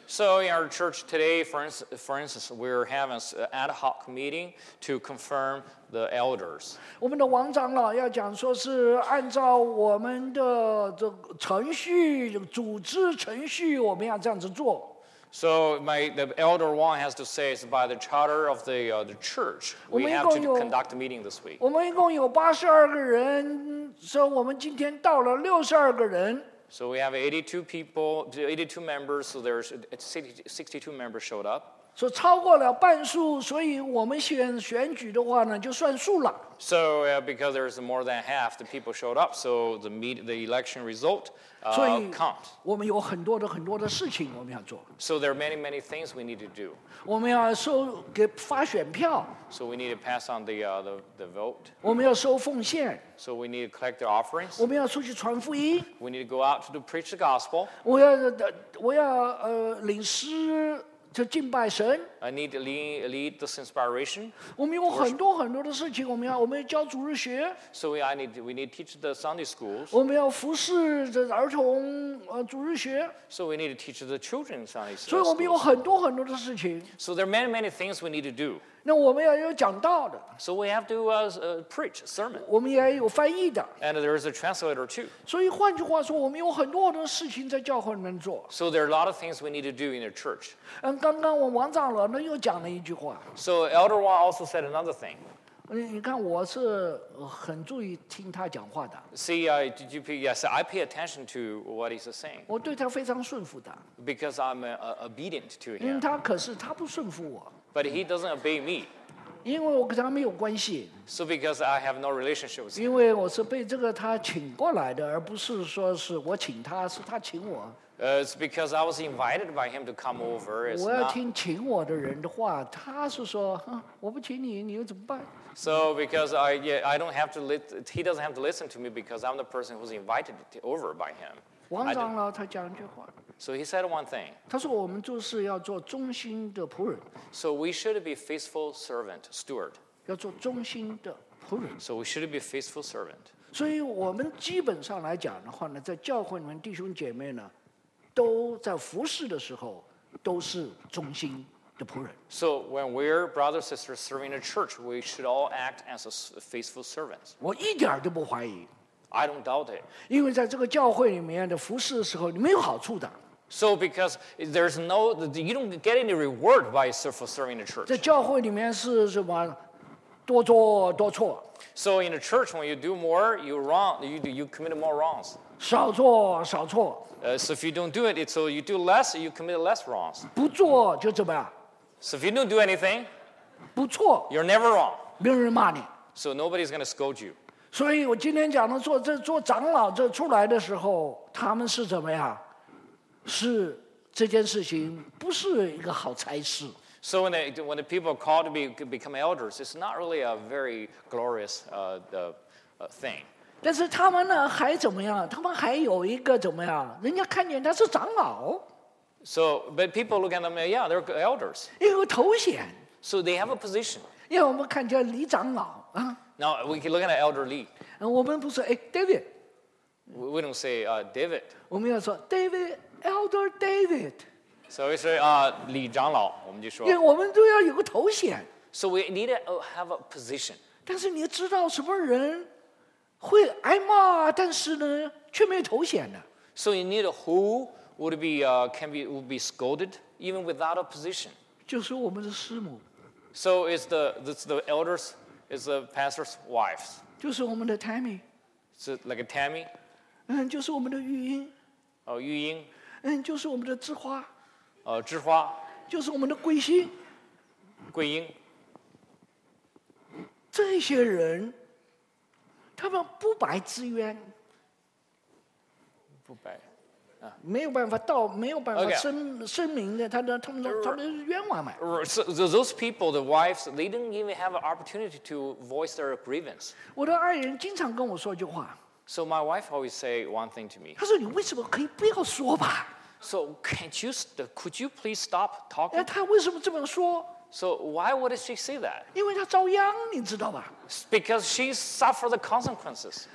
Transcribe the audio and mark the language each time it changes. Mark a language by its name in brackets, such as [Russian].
[English] So in our church today, for instance, we're having an ad hoc meeting to confirm the elders. [Chinese] 我们的王长老要讲说是按照我们的这程序，组织程序，我们要这样子做。 [English] So the elder Wang has to say it's by the charter of the church. We have to conduct a meeting this week. [Chinese] 我们一共有82个人，所以我们今天到了62个人。 [English] So we have 82 members. So there's 62 members showed up. [Chinese] 所以超过了半数，所以我们选举的话呢，就算数了。 [English] So because there's more than half the people showed up, so the election result. So there are many things we need to do. [Chinese] 我们要收给发选票。 [English] So we need to pass on the vote. [Chinese] 我们要收奉献。 [English] So we need to collect the offerings. [Chinese] 我们要出去传福音。 [English] We need to go out to preach the gospel. [Chinese] 我要领诗就敬拜神。 [English] I need to lead this inspiration. [Chinese] 我们有很多很多的事情，我们要教主日学。 [English] So we need to teach the Sunday schools. [Chinese] 我们要服侍这儿童主日学。 [English] So we need to teach the children Sunday schools. [Chinese] 所以我们有很多很多的事情。 [English] So there are many things we need to do. [Chinese] 那我们要有讲道的。 [English] So we have to preach sermon. [Chinese] 我们也有翻译的。 [English] And there is a translator too. [Chinese] 所以换句话说，我们有很多很多事情在教会里面做。 [English] So there are a lot of things we need to do in the church. [Chinese] 刚刚我王长老那又讲了一句话。 [English] So Elder Wang also said another thing. [Chinese] 你看我是很注意听他讲话的。 [English] See, I pay attention to what he's saying. [Chinese] 我对他非常顺服的。 [English] Because I'm obedient to him. [Chinese] 因为他可是他不顺服我。 [English] But he doesn't obey me. [Chinese] 因为我跟他没有关系。 [English] So because I have no relationship with him. [Chinese] 因为我是被这个他请过来的，而不是说是我请他，是他请我。 [English] It's because I was invited by him to come over. [Chinese] 我要听请我的人的话，他是说，我不请你，你又怎么办？ [English] So because I don't have to he doesn't have to listen to me because I'm the person who's invited over by him. [Chinese] 王长老他讲一句话。 [English] So he said one thing. [Chinese] 他说我们做事要做忠心的仆人。 [English] So we should be faithful servant steward. [Chinese] 要做忠心的仆人。 [English] So we should be faithful servant. [Chinese] 所以我们基本上来讲的话呢，在教会里面弟兄姐妹呢，都在服侍的时候都是忠心的仆人。 [English] So when we're brothers and sisters serving the church, we should all act as a faithful servant. [Chinese] 我一点都不怀疑。 [English] I don't doubt it. [Chinese] 因为在这个教会里面的服侍的时候，你没有好处的。 [English] So because there's no, you don't get any reward by serving the church. [Chinese] 在教会里面是什么？多做多错。 [English] So in a church, when you do more, you commit more wrongs. [Chinese] 少做少错。 [English] So if you don't do it, it's so you do less, you commit less wrongs. [Chinese] 不做就怎么样？ [English] So if you don't do anything, [Chinese] 不错， [English] you're never wrong. [Chinese] 没人骂你。 [English] So nobody's going to scold you. [Chinese] 所以我今天讲的做这做长老这出来的时候，他们是怎么样？是这件事情不是一个好差事。 [English] So when the people are called to become elders, it's not really a very glorious thing. [Chinese] 但是他们呢还怎么样？他们还有一个怎么样？人家看见他是长老。 [English] So, but people look at them, yeah, they're elders. [Chinese] 有个头衔。 [English] So they have a position. [Chinese] 因为我们看见李长老啊。 [English] Now we can look at Elder Lee. [Chinese] 我们不是哎 ，David。 [English] We don't say David. [Chinese] 我们要说 David, Elder David. [English] So we say, [Chinese] 李长老，我们就说。因为我们都要有个头衔。 [English] So we need to have a position. [Chinese] 但是你知道什么人会挨骂，但是呢却没有头衔呢 [English] ？So you need who would be would be scolded even without a position. [Chinese] 就是我们的师母。 [English] So is the elders is the pastor's wives. [Chinese] 就是我们的 Tammy. [English] So like a Tammy. [Chinese] 就是我们的玉英。哦，玉英。就是我们的枝花。枝花就是我们的桂心桂英这些人他们不白之冤不白、没有办法到没有办法 声明的他们是冤枉嘛 [English] so those people the wives they didn't even have an opportunity to voice their grievance [Chinese] 我的爱人经常跟我说一句话 [English] so my wife always say one thing to me [Chinese] 他说你为什么可以不要说吧 [English] So could you please stop talking? [Chinese] 他为什么这么说? [English] So why would she say that? [Chinese] 因为他遭殃，你知道吧? [English] Because she suffered the consequences.